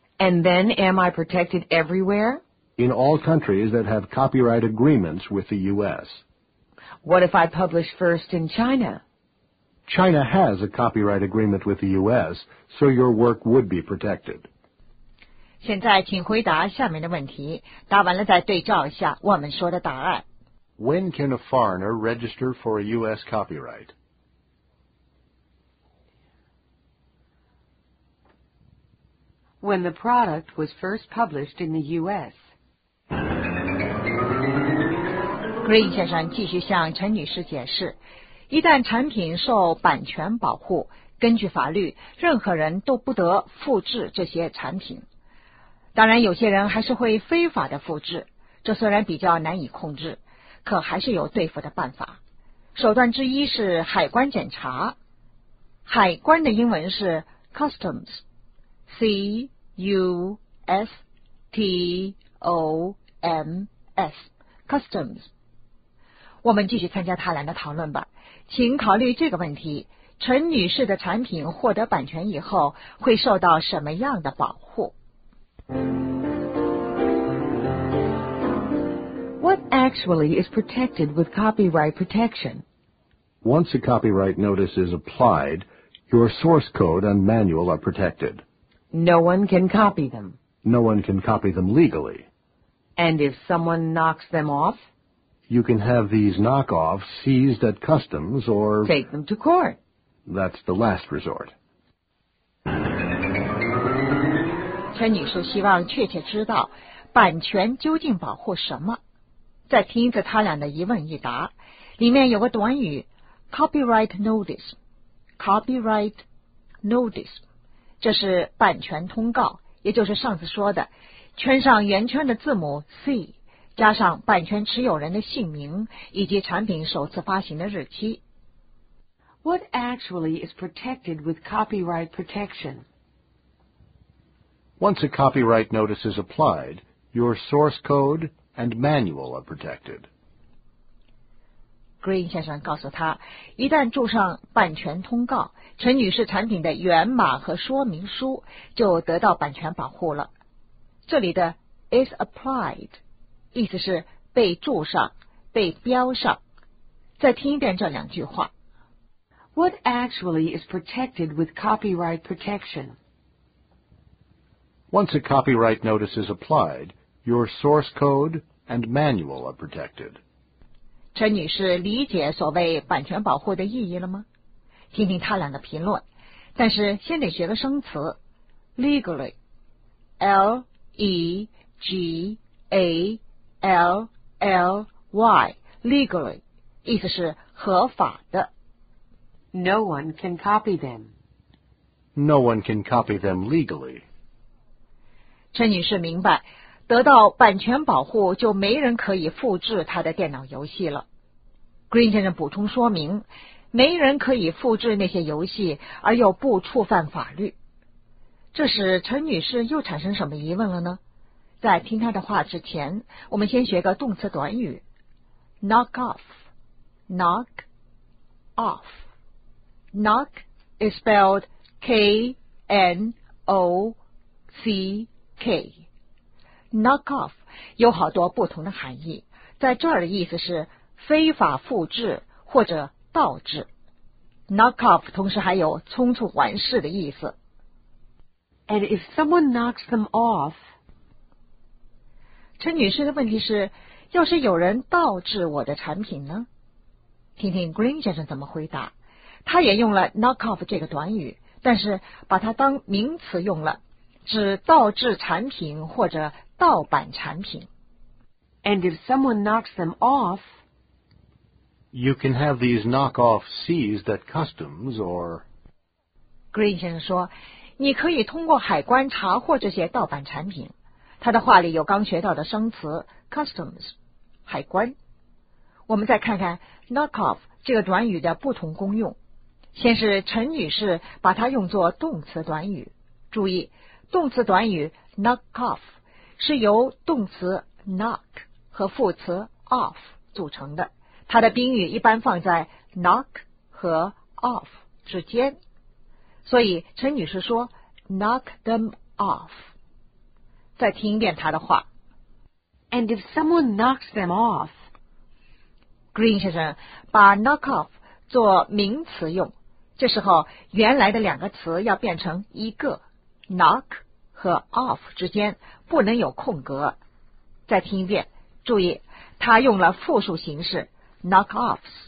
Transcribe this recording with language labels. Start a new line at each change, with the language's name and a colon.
English: And then am I protected everywhere? In all countries that have copyright agreements with the U.S. What if I publish first in China? China has a copyright agreement with the U.S., so your work would be protected.
Chinese: 现在请回答下面的问题，答完了再对照一下我们说的答案。
English: When can a foreigner register for a U.S. copyright? When the product was first published in the U.S.
Chinese: Green 先生继续向陈女士解释，一旦产品受版权保护，根据法律，任何人都不得复制这些产品。当然，有些人还是会非法的复制，这虽然比较难以控制，可还是有对付的办法。手段之一是海关检查。海关的英文是 customs， C U S T O M S， customs。我们继续参加他俩的讨论吧，请考虑这个问题：陈女士的产品获得版权以后，会受到什么样的保护？
English: What actually is protected with copyright protection? Once a copyright notice is applied, your source code and manual are protected. No one can copy them. No one can copy them legally. And if someone knocks them off? You can have these knockoffs seized at customs or... Take them to court. That's the last resort.
Chinese: 陈女士希望确切知道版权究竟保护什么。再听一次他俩的一问一答，里面有个短语 copyright notice， copyright notice， 这是版权通告，也就是上次说的圈上圆圈的字母 C 加上版权持有人的姓名以及产品首次发行的日期。
English: What actually is protected with copyright protection? Once a copyright notice is applied, your source codeand manual are protected.
Chinese: Green 先生告诉他，一旦注上版权通告，陈女士产品的源码和说明书就得到版权保护了。这里的
English: is applied
Chinese: 意思是被注上，被标上。再听一遍这两句话。
English: What actually is protected with copyright protection? Once a copyright notice is applied, your source code... and manual are protected.
Chinese: 陈女士理解所谓版权保护的意义了吗？听听他俩的评论，但是先得学个生词 legally， L-E-G-A-L-L-Y， legally 意思是合法的。
English: No one can copy them. No one can copy them legally.
Chinese: 陈女士明白得到版权保护，就没人可以复制他的电脑游戏了。 Green 先生补充说明，没人可以复制那些游戏，而又不触犯法律。这使陈女士又产生什么疑问了呢？在听她的话之前，我们先学个动词短语 ：knock off。
English: knock off。 knock is spelled K-N-O-C-K。
Chinese: Knock off 有好多不同的含义，在这儿的意思是非法复制或者盗制。 Knock off 同时还有匆促完事的意思。
English: And if someone knocks them off，
Chinese: 陈女士的问题是，要是有人盗制我的产品呢？听听 Green 先生怎么回答，他也用了 knock off 这个短语，但是把它当名词用了，指盗制产品或者盗版产品。
English: And if someone knocks them off, you can have these knockoffs seized at customs or.
Chinese: Green 先生说，你可以通过海关查获这些盗版产品，他的话里有刚学到的生词 customs, 海关。我们再看看 knock off 这个短语的不同功用。先是陈女士把它用作动词短语。注意，动词短语 knock off 是由动词 knock 和副词 off 组成的。它的宾语一般放在 knock 和 off 之间。所以陈女士说 knock them off。再听一遍她的话。
English: And if someone knocks them off,
Chinese: Green 先生把 knock off 做名词用。这时候原来的两个词要变成一个 knock 和 off 之间不能有空格。再听一遍，注意他用了复数形式 knock offs。